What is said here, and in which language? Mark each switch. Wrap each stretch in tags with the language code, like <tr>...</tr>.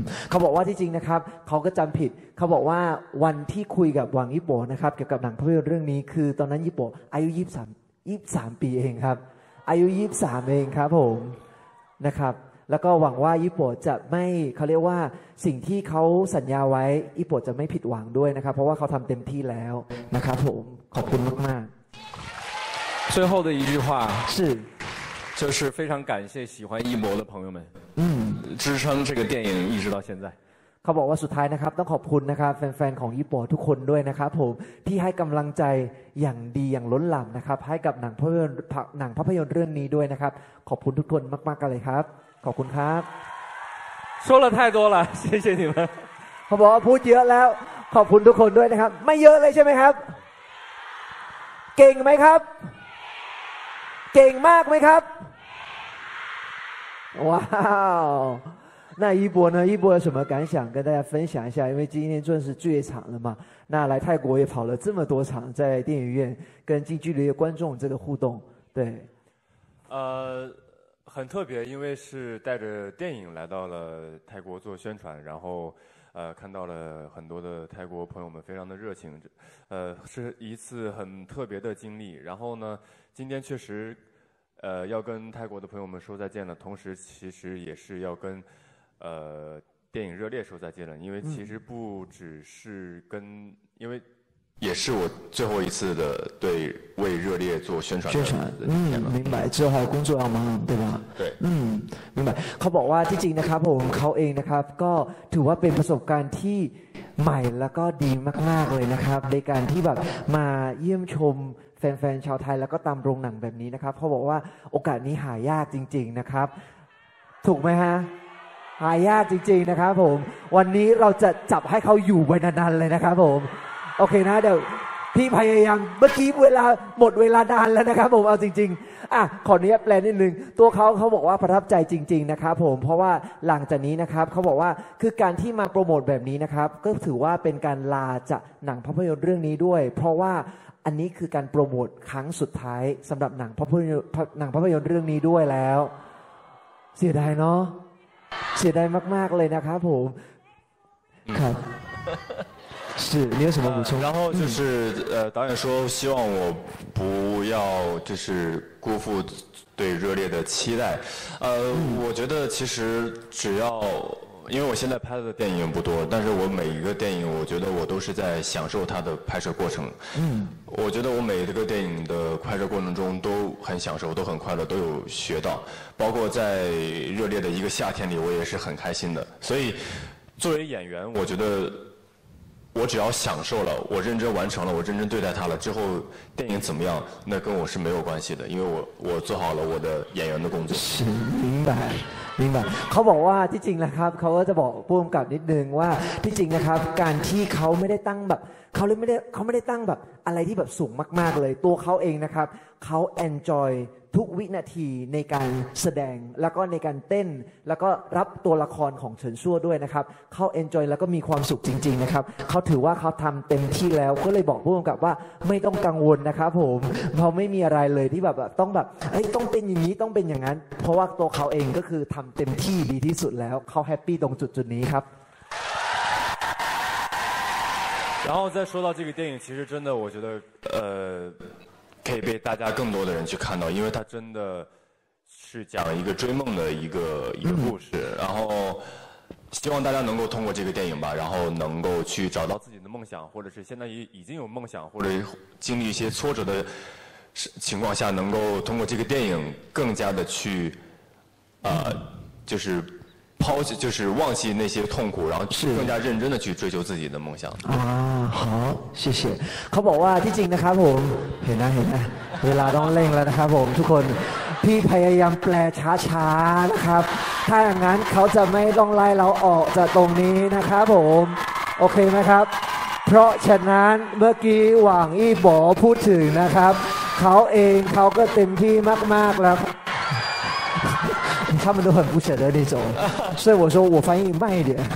<th>เขาบอกว่าที่จริงนะครับเขาก็จำผิดเขาบอกว่าวันที่คุยกับหวังยี่ปอนะครับเกี่ยวกับหนังภาพยนตร์เรื่องนี้คือตอนนั้นยี่ปออายุ23 ปีเองครับอายุ23เองครับผมนะครับแล้วก็หวังว่าญี่ปุ่นจะไม่เขาเรียกว่าสิ่งที่เขาสัญญาไว้ญี่ปุ่นจะไม่ผิดหวังด้วยนะครับเพราะว่าเขาทำเต็มที่แล้วนะครับผมขอบคุณมาก</th> <zh>ๆ最后的一句话是就是非常感谢喜欢一博的朋友们嗯支撑这个电影一直到现在</zh> <th>เขาบอกว่าสุดท้ายนะครับต้องขอบคุณนะครับแฟนๆของญี่ปุ่นทุกคนด้วยนะครับผมที่ให้กำลังใจอย่างดีอย่างล้นหลามนะครับให้กับหนังภาพยนตร์เรื่องนี้ด้วยนะครับขอบคุณทุกคนมากๆกันเลยครับขอบคุณครับ</th> <zh>说了太多了谢谢你们</zh> <th>เขาบอกว่าพูดเยอะแล้วขอบคุณทุกคนด้วยนะครับไม่เยอะเลยใช่ไหมครับเก่งไหมครับเก่งมากไหมครับว้าว</th> <zh>那一博呢一博有什么感想跟大家分享一下因为今天正是最长了嘛那来泰国也跑了这么多场在电影院跟近距离的观众这个互动对很特别因为是带着电影来到了泰国做宣传然后看到了很多的泰国朋友们非常的热情是一次很特别的经历然后呢今天确实要跟泰国的朋友们说再见了同时其实也是要跟电影热烈说再见了因为其实不只是跟因为也是我最后一次的对为热烈做宣传的宣传。嗯，明白，之后还有工作要忙，对吧？对。嗯，明白。</zh> <th>เขาบอกว่าที่จริงนะครับผมเขาเองนะครับก็ถือว่าเป็นประสบการณ์ที่ใหม่แล้วก็ดีมากๆเลยนะครับในการที่แบบมาเยี่ยมชมแฟนๆชาวไทยแล้วก็ตามโรงหนังแบบนี้นะครับเขาบอกว่าโอกาสนี้หายากจริงๆนะครับ ถูกไหมฮะหายากจริงๆนะครับผมวันนี้เราจะจับให้เขาอยู่ไว้นานๆเลยนะครับผมโอเคนะเดี๋ยวพี่พยายามเมื่อกี้เวลาหมดเวลานานแล้วนะครับผมเอาจริงๆอ่ะขออนุญาตแปลนิดนึงตัวเขาบอกว่าประทับใจจริงๆนะครับผมเพราะว่าหลังจากนี้นะครับเขาบอกว่าคือการที่มาโปรโมทแบบนี้นะครับก็ถือว่าเป็นการลาจากหนังภาพยนตร์เรื่องนี้ด้วยเพราะว่า อันนี้คือการโปรโมทครั้งสุดท้ายสำหรับหนังภาพยนตร์เรื่องนี้ด้วยแล้วเสียดายเนาะเสียดายมากๆเลยนะครับผมครับ</th> <zh>是你有什么补充？然后就是导演说希望我不要就是辜负对热烈的期待。我觉得其实只要因为我现在拍的电影不多，但是我每一个电影我觉得我都是在享受它的拍摄过程。我觉得我每一个电影的拍摄过程中都很享受，都很快乐，都有学到，包括在热烈的一个夏天里我也是很开心的。所以作为演员我觉得我只要享受了，我认真完成了，我认真对待他了之后，电影怎么样，那跟我是没有关系的，因为我做好了我的演员的工作。是，明白，明白。</zh> <th>เขาบอกว่าที่จริงนะครับเขาก็จะบอกพูดกับนิดนึงว่าที่จริงนะครับการที่เขาไม่ได้ตั้งแบบเขาไม่ได้ตั้งแบบอะไรที่แบบสูงมากๆเลยตัวเขาเองนะครับเขา enjoy ทุกวินาทีในการแสดงแล้วก็ในการเต้นแล้วก็รับตัวละครของเฉินซั่วด้วยนะครับเขา enjoy แล้วก็มีความสุขจริงๆนะครับเขาถือว่าเขาทำเต็มที่แล้วก็เลยบอกผู้กำกับว่าไม่ต้องกังวลนะครับผมเราไม่มีอะไรเลยที่แบบต้องแบบต้องเป็นอย่างนี้ต้องเป็นอย่างนั้นเพราะว่าตัวเขาเองก็คือทำเต็มที่ดีที่สุดแล้วเขาแฮปปี้ตรงจุดนี้ครับ</th> <zh>然后再说到这个电影，其实真的，我觉得，可以被大家更多的人去看到，因为它真的是讲一个追梦的一个故事。然后，希望大家能够通过这个电影吧，然后能够去找到自己的梦想，或者是现在已经有梦想，或者经历一些挫折的情况下，能够通过这个电影更加的去，就是。抛弃就是忘记那些痛苦，然后更加认真的去追求自己的梦想。啊，好，谢谢。</zh> <th>เขาบอกว่าที่จริงนะครับผมเห็นนะเห็นนะเวลาต้องเร่งแล้วนะครับผมทุกคนพี่พยายามแปลช้าๆนะครับถ้าอย่างนั้นเขาจะไม่ต้องไล่เราออกจากตรงนี้นะครับผมโอเคไหมครับเพราะฉะนั้นเมื่อกี้หวังอี้บอพูดถึงนะครับเขาเองเขาก็เต็มที่มากๆแล้ว</th> <zh>他们都很不舍得那种，所以我说我翻译慢一点。</zh>